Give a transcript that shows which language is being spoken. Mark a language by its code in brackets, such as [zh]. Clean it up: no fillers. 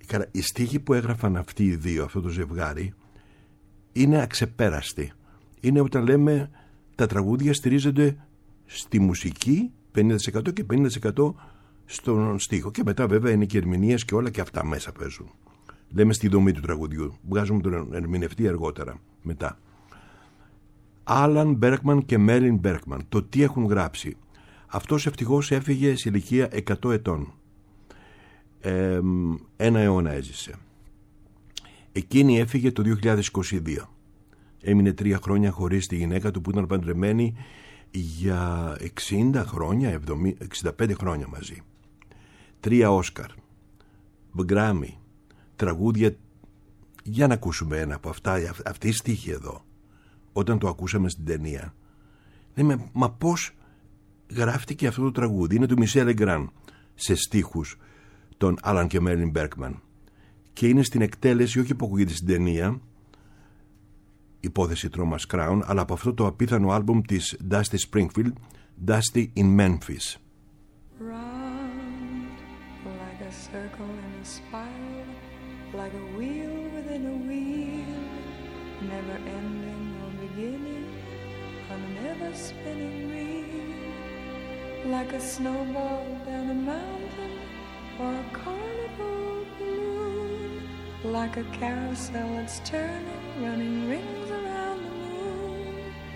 [el] Οι στίχοι που έγραφαν αυτοί οι δύο, αυτό το ζευγάρι, είναι αξεπέραστοι. Είναι όταν λέμε τα τραγούδια στηρίζονται στη μουσική 50% και 50% στον στίχο. Και μετά βέβαια είναι και ερμηνείες και όλα και αυτά μέσα παίζουν. Λέμε στη δομή του τραγουδιού. Βγάζουμε τον ερμηνευτή αργότερα, μετά. Alan Berkman και Merlin Berkman. Το τι έχουν γράψει. Αυτός ευτυχώς έφυγε σε ηλικία 100 ετών. Ένα αιώνα έζησε. Εκείνη έφυγε το 2022. Έμεινε 3 χρόνια χωρίς τη γυναίκα του, που ήταν παντρεμένη για 60 χρόνια, 65 χρόνια μαζί. 3 Όσκαρ, Γκράμι, τραγούδια. Για να ακούσουμε ένα από αυτά. Αυτή η στίχη εδώ, όταν το ακούσαμε στην ταινία, λέμε, μα πώς γράφτηκε αυτό το τραγούδι. Είναι του Μισελ Λεγκράν, σε στίχους τον Alan και Merlin Berkman. Και είναι στην εκτέλεση, όχι που ακούγεται στην ταινία, υπόθεση Thomas Crown, αλλά από αυτό το απίθανο άλμπουμ της Dusty Springfield, Dusty in Memphis. [en] Round, like a circle in a spiral, like a wheel within a wheel, never ending or beginning, on an ever spinning wheel, like a snowball down a mountain, or a carnival balloon, like a carousel that's turning, running rings around the moon,